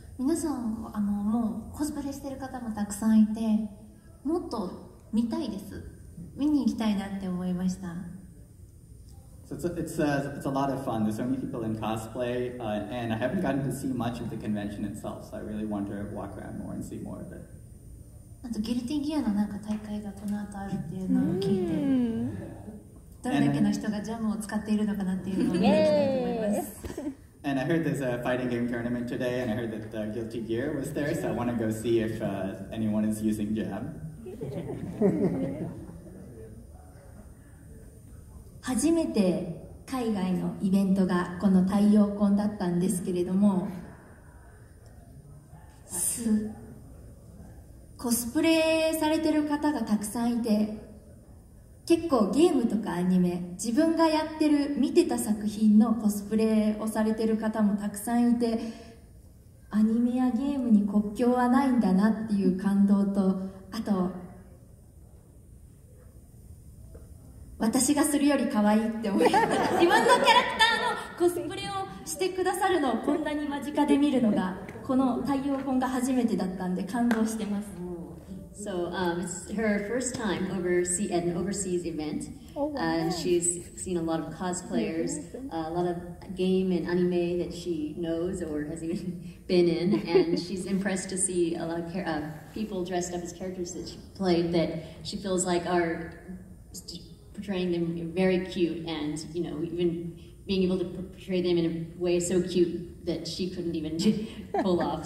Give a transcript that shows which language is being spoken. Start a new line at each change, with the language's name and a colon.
Japanese: 皆さんあのもうコスプレしてる方もたくさんいて、もっと見たいです。見に行きたいなって思いました。
English: So it's a lot of fun. There's so many people in cosplay, and I haven't gotten to see much of the convention itself, so I really want to walk around more and see more of it.
Japanese: あとギルティギアのなんか大会がこの後あるっていうのを聞いて、どれだけの人がジャムを使っているのかなっていうのを見に行きたいと思います。
English: And I heard there's a fighting game tournament today, and I heard that the Guilty Gear was there, so I want to go see if anyone is using jam.
Japanese: 初めて海外のイベントがこの太陽コンだったんですけれども、コスプレされてる方がたくさんいて、結構ゲームとかアニメ、自分がやってる見てた作品のコスプレをされてる方もたくさんいて、アニメやゲームに国境はないんだなっていう感動と、あと私がするより可愛いって思いました。自分のキャラクターのコスプレをしてくださるのをこんなに間近で見るのがこの太陽本が初めてだったんで感動してます。
English: So it's her first time overseas at an overseas event, and she's seen a lot of cosplayers, a lot of game and anime that she knows or has even been in, and she's impressed to see a lot of people dressed up as characters that she played that she feels like are portraying them very cute, and you know, even being able to portray them in a way so cute that she couldn't even pull off.